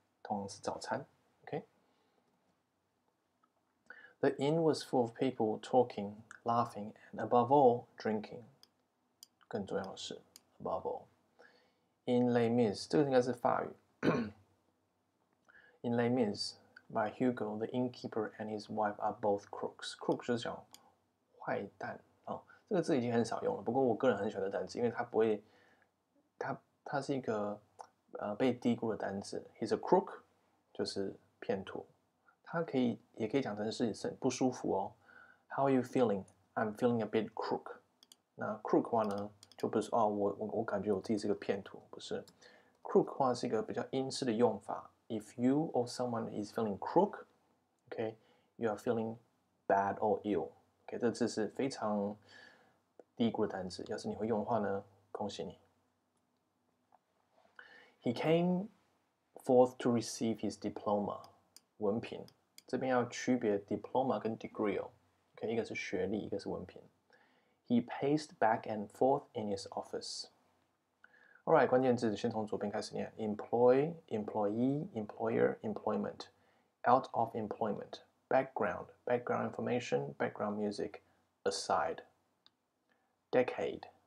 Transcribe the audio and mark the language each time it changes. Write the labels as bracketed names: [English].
[Chinese] 通常是早餐， [English] OK？The inn was full of people talking, laughing, and above all, drinking. [Chinese] 更重要的是， [English] above all, in Les Mis， [Chinese] 这个应该是法语。 [English] In Les Mis, by Hugo, the innkeeper and his wife are both crooks. [Chinese] Crook 就是讲坏蛋啊，这个字已经很少用了。不过我个人很喜欢这单词，因为它不会，它是一个被低估的单词。 [English] He's a crook。 [Chinese] 就是骗徒，他可以也可以讲成是不舒服哦。 [English] How are you feeling? I'm feeling a bit crook。 [Chinese] 那 crook 的话呢，就不是哦，我感觉我自己是个骗徒，不是。 crook 的话是一个比较英式的用法。 [English] If you or someone is feeling crook，OK，you are feeling bad or ill。 [Chinese] OK，这字是非常低谷的单词。要是你会用的话呢，恭喜你。 [English] He came forth to receive his diploma， [Chinese] 文凭。这边要区别 diploma 跟 degree 哦。 OK， 一个是学历，一个是文凭。 [English] He paced back and forth in his office. All right， [Chinese] 关键字先从左边开始念 [English] ：employ, employee, employer, employment, out of employment, background, background information, background music, aside, decade。